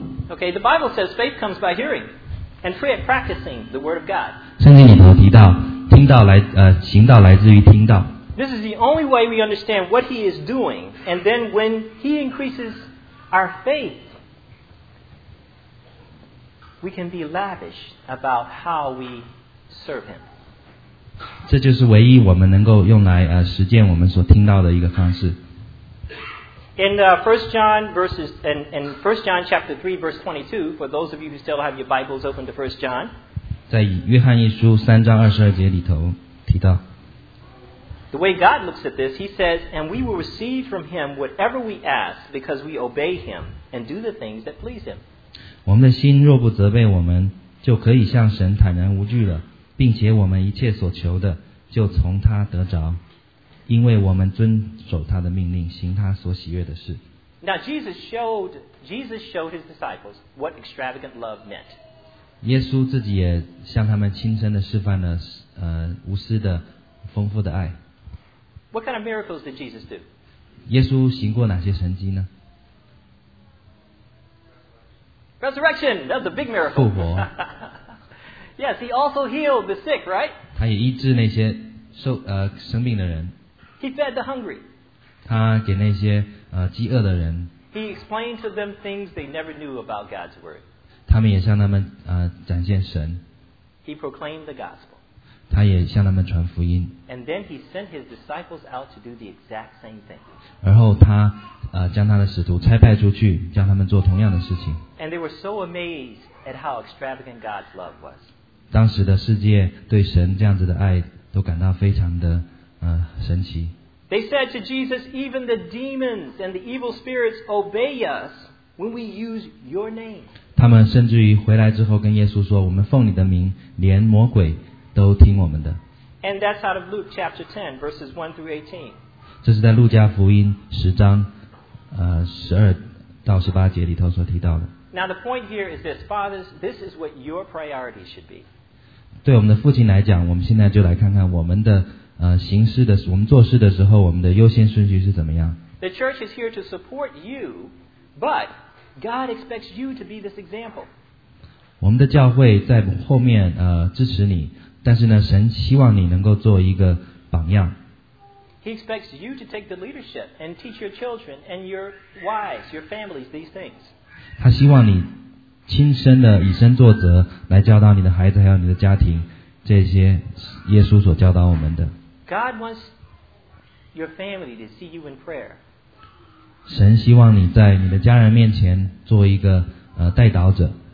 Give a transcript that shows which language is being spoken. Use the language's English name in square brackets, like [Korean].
[English] Okay, the Bible says faith comes by hearing, and faith practicing the word of God. [Chinese] 圣经里头提到，听道来行道来自于听道。 [English] This is the only way we understand what He is doing, and then when He increases our faith, we can be lavish about how we serve Him. [Chinese] 这就是唯一我们能够用来实践我们所听到的一个方式。 [English] In 1 John verses, in 1 John chapter 3 verse 22, for those of you who still have your Bibles open to 1 John. [Chinese] 在约翰一书三章二十二节里头提到。 [English] The way God looks at this, He says, and we will receive from Him whatever we ask because we obey Him and do the things that please Him. [Chinese] 我们的心若不责备我们，就可以向神坦然无惧了，并且我们一切所求的就从他得着。因为我们遵守他的命令，行他所喜悦的事。 [English] Now Jesus showed his disciples what extravagant love meant. [Chinese] 耶稣自己也向他们亲身的示范了无私的丰富的爱。 [English] What kind of miracles did Jesus do? [Chinese] 耶稣行过哪些神迹呢？ [English] Resurrection, that's a big miracle. [Chinese] 复活。 [English] Yes, he also healed the sick, right? [Chinese] 他也医治那些生病的人。 [English] He fed the hungry. [Chinese] 他给那些饥饿的人。 [English] He explained to them things they never knew about God's word. [Chinese] 他们也向他们展现神。 [English] He proclaimed the gospel. [Chinese] 他也向他们传福音。 [English] And then he sent his disciples out to do the exact same thing. [Chinese] 而后他将他的使徒差派出去，叫他们做同样的事情。 [English] And they were so amazed at how extravagant God's love was. [Chinese] 当时的世界对神这样子的爱都感到非常的神奇。 [English] They said to Jesus, even the demons and the evil spirits obey us when we use your name. [Chinese] 他们甚至于回来之后跟耶稣说，我们奉你的名，连魔鬼都听我们的。 [English] And that's out of Luke chapter 10, verses 1 through 18. [Chinese] 这是在路加福音十章12到18节里头所提到的。 [English] Now the point here is this, fathers, this is what your priority should be. [Chinese] 对我们的父亲来讲，我们现在就来看看我们的行事的，我们做事的时候，我们的优先顺序是怎么样。 [English] The church is here to support you, but God expects you to be this example. [Chinese] 我们的教会在后面支持你，但是呢，神希望你能够做一个榜样。 [English] He expects you to take the leadership and teach your children and your wives, your families these things. [Chinese] 他希望你亲身的以身作则来教导你的孩子还有你的家庭这些耶稣所教导我们的。 [English] God wants your family to see you in prayer. [Chinese] 神希望你在你的家人面前做一个代祷者。